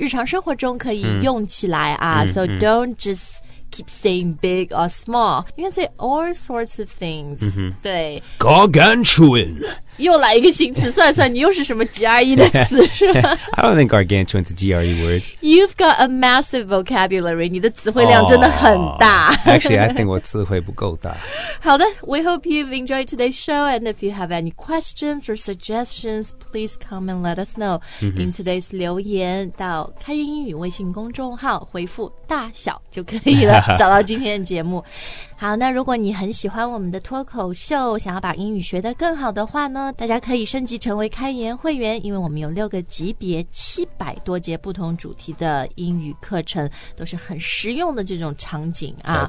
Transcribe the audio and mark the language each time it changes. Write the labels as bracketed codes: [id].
[zh] 然后对我今天呢跟大家讲了分享了很多有意思的不一样的词来讲大和小的概念那希望大家喜欢今天的节目然后在日常生活中可以用起来啊。 [en] So don't just keep saying big or small. You can say all sorts of things. [zh] 对 [en] Gargantuan. [zh] 又来一个新词，算算你又是什么GRE的词，是吧？ [en] I don't think gargantuan's a GRE word. You've got a massive vocabulary. [zh] 你的词汇量真的很大。Actually, [en] I think [zh] 我词汇不够大。好的,we [en] hope you've enjoyed today's show, and if you have any questions or suggestions, please come and let us know. In today's [zh] 留言到开言英语微信公众号回复大小就可以了找到今天节目。好,那如果你很喜欢我们的脱口秀,想要把英语学得更好的话呢, 大家可以升级成为开言会员,因为我们有六个级别,700多节不同主题的英语课程,都是很实用的这种场景啊。